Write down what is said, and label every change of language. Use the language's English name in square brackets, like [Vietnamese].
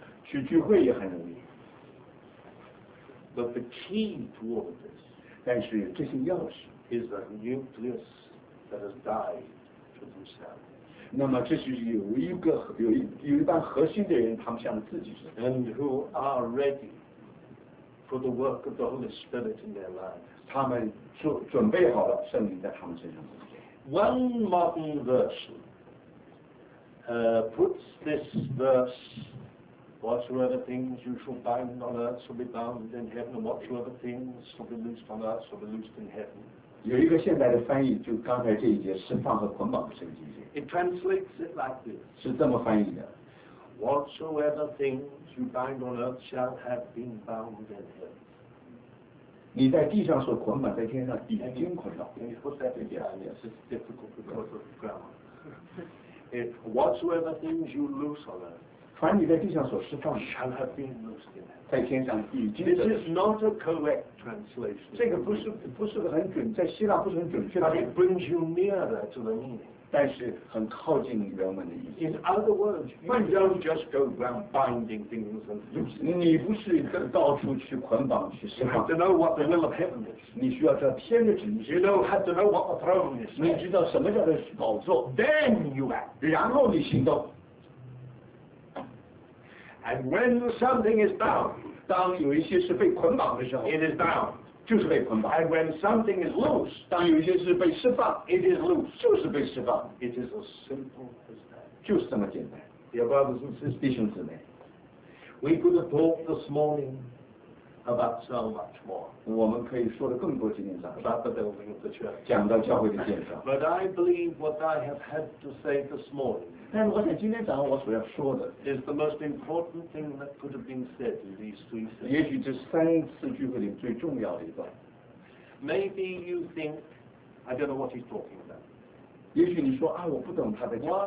[Chinese] 去聚会也很容易。 [English] But the key to all this, [Chinese] 但是这些钥匙 [English] is the nucleus that has died to themselves. [Chinese] 那么这是有一个有一半核心的人，他们向自己说。 [English] And who are ready for the work of the Holy Spirit in their lives? [Chinese] 他们准备好了圣灵在他们身上。 [English] One modern version puts this verse. Whatsoever things you shall bind on earth shall be bound in heaven, and whatsoever things shall be loosed on earth shall be loosed in heaven. [Chinese] 有一个现代的翻译，就刚才这一节释放和捆绑的圣经节。 [English] It translates it like this. [Chinese] 是这么翻译的。 [English] Whatsoever things you bind on earth shall have been bound in heaven. [Chinese] 你在地上所捆绑，在天上已经捆绑。 [English] Can you put that in Chinese? It's difficult because of grammar. It whatsoever things you loose on earth. [Chinese] 凡你在地上所释放的 [English] shall have been loosed in heaven. [Chinese] 在天上已经 [English] This is not a correct translation. [Chinese] 这个不是很准，在希腊不是很准确的。 [English] But it brings you nearer to the meaning. [Chinese] 但是很靠近原文的意思。 [English] In other words, you don't just go around binding things and loosing. [Chinese] 你不是到处去捆绑去释放。 [English] You have to know what the will of heaven is. [Chinese] 你需要知道天的旨意。 [English] You know, have to know what the throne is. [Chinese] 你知道什么叫做宝座。 [English] Then you act. [Chinese] 然后你行动。 [English] And when something is bound, [Chinese] 当有一些是被捆绑的时候 [English] it is bound, [Chinese] 就是被捆绑。 [English] And when something is loose, [Chinese] 当有一些是被释放 [English] it is loose, [Chinese] 就是被释放。 [English] It is as simple as that. [Chinese] 就是这么简单。 [English] Dear brothers and sisters, [Chinese] 弟兄姊妹 [English] we could have talked this morning about so much more. [Chinese] 我们可以说的更多今天早上 [English] about the building of the church. [Chinese] 讲到教会的建造。 [English] But I believe what I have had to say this morning. [Chinese] 但是我想今天早上我所要说的 [English] is the most important thing that could have been said in these three sentences. [Chinese] 也许这三次聚会里最重要的一段。 [English] Maybe you think, I don't know what he's talking about. [Chinese] 也许你说啊，我不懂他在讲什么。